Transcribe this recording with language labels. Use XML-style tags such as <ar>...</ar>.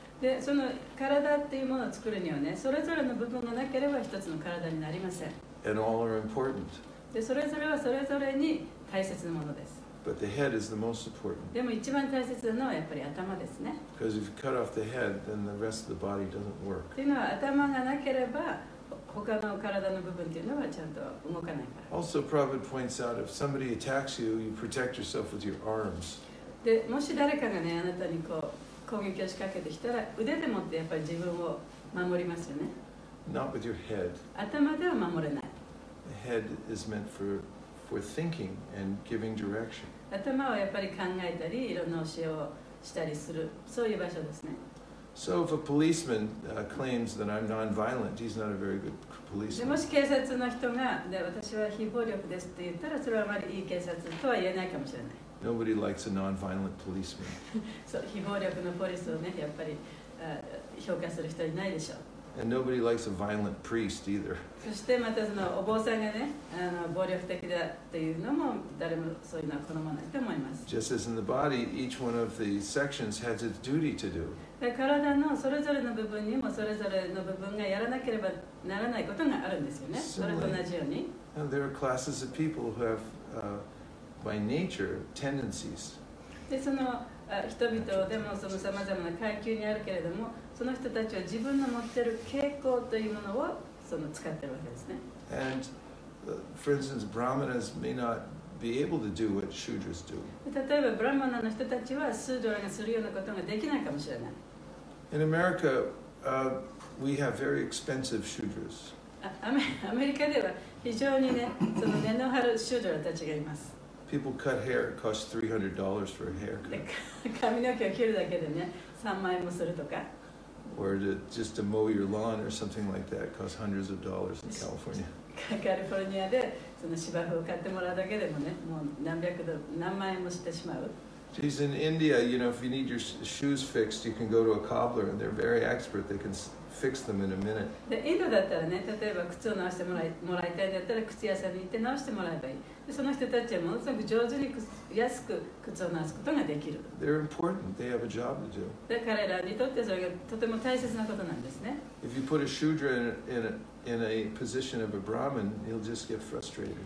<ja>でその体っていうものを作るにはね、それぞれの部分がなければ一つの体になりません。</ja> <en>And all are important.</en> <ja>でそれぞれはそれぞれに大切なものです。</ja> <en>But the head is the most important.</en> <ja>でも一番大切なのはやっぱり頭ですね。</ja> <en>Because if you cut off the head, then the rest of the body doesn't work.</en> <ja>っていうのは頭がなければ他の体の部分というのはちゃんと動かないから。</ja> <en>Also, Prabhupada points out, if somebody attacks you, you protect yourself with your arms.</en> <ja>でもし誰かがねあなたにこう攻撃を仕掛けてきたら腕でもってやっぱり自分を守りますよね。</ja> <en>Not with your head.</en> <ja>頭では守れない。</ja> <en>The head is meant for thinking and giving direction.</en> <ja>頭はやっぱり考えたりいろんな教えをしたりするそういう場所ですね。</ja> <en>So if a policeman claims that I'm non-violent, he's not a very good policeman.</en> <ja>もし警察の人がで私は非暴力ですって言ったらそれはあまりいい警察とは言えないかもしれない。</ja> <en>Nobody likes a non-violent policeman.</en> <ja>そう非暴力のポリスをねやっぱり評価する人いないでしょう。</ja> <en>And nobody likes a violent priest either.</en> <ja>そしてまたそのお坊さんがね暴力的だというのも誰もそういうのは好まないと思います。</ja> <en>Just as in the body, each one of the sections has its duty to do.</en> <ja>で体のそれぞれの部分にもそれぞれの部分がやらなければならないことがあるんですよね。それと同じように。</ja> <en>And there are classes of people who have, by nature, tendencies.</en> <ja>でその人々でもその様々な階級にあるけれども、その人たちは自分の持っている傾向というものをその使っているわけですね。</ja> <en>And, for instance, Brahmanas may not be able to do what Shudras do.</en> <ja>例えば、ブラマナの人たちはスードラがするようなことができないかもしれない。</ja> <en>In America, we have very expensive Shudras.</en> <ja>アメリカでは非常にね、その根の張るシュードラたちがいます。</ja> <en>People cut hair, it costs $300 for a haircut.</en> <ja>髪の毛を切るだけでね、3万円もするとか。</ja> <en>Or to, just to mow your lawn or something like that costs hundreds of dollars in California.</en> <ja>California でその芝生を買ってもらうだけでもね、もう何百ドル、何万円もしてしまう。</ja> <en>She's in India, you know, if you need your shoes fixed, you can go to a cobbler and they're very expert. They can fix them in a minute.</en> <ja>で、インドだったらね、例えば靴を直してもらいたいだったら靴屋さんに行って直してもらえばいい。で、その人たちはものすごく上手に安く靴を直すことができる。</ja> <en>They're important. They have a job to do.</en> <ja>で、彼らにとってそれがとても大切なことなんですね。</ja> <en>If you put a shudra in a position of a brahmin, he'll just get frustrated.</en>